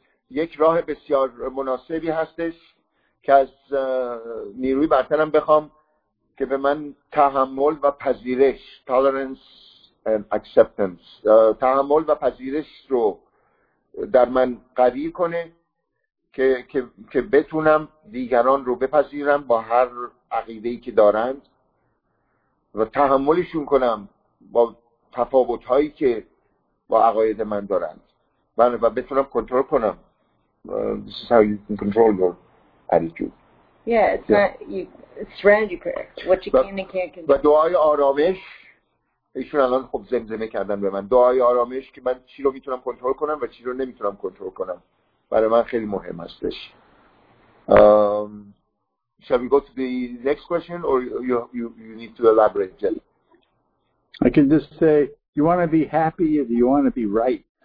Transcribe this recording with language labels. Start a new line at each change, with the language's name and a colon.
Persian: یک راه بسیار مناسبی هستش که از نیروی برترم بخوام که به من تحمل و پذیرش
English: tolerance and acceptance
Persian: تحمل و پذیرش رو در من قوی کنه که بتونم دیگران رو بپذیرم با هر عقیده‌ای که دارند و تحملشون کنم با تفاوت‌هایی که با عقاید من دارند و بتونم کنترل کنم.
English: This is how you can control your attitude. Yeah, it's not you, it's strategy prayer. What you can and can't control.
Persian: و دعای آرامش، ایشون الان خب زمزمه کردن به من. دعای آرامش که من چی رو میتونم کنترل کنم و چی رو نمیتونم کنترل کنم. برای من خیلی مهم هستش.
English: Shall we go to the next question or you need to elaborate, Jelly? I can just say, you want to be happy or do you want to be right?